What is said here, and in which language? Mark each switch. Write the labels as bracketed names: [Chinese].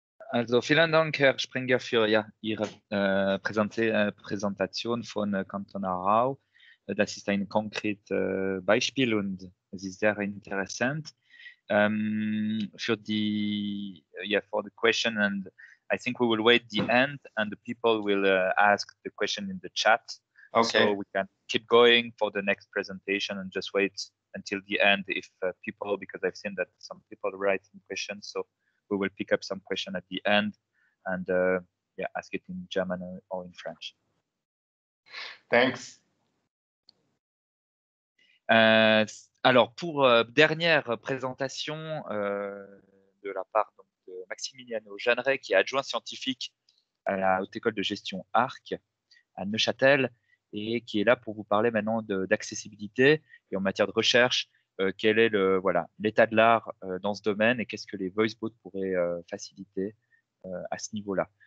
[German] Also vielen Dank, Herr Springer, für ja, Ihre Präsentation von Kanton Aarau. Das ist ein konkretes Beispiel und es ist sehr interessant. Für die, [English] yeah, for the question, and I think we will wait the end and the people will ask the question in the chat. Okay. So we can keep going for the next presentation and just wait until the end if people, because I've seen that some people write in questions, so we will pick up some question at the end and yeah, ask it in German or in French. Thanks. [French] Alors, pour dernière présentation de la part donc, de Maximiliano Jeanneret, qui est adjoint scientifique à la Haute École de gestion ARC à Neuchâtel et qui est là pour vous parler maintenant d'accessibilité et en matière de recherche, quel est le, voilà, l'état de l'art dans ce domaine et qu'est-ce que les voicebots pourraient faciliter à ce niveau-là.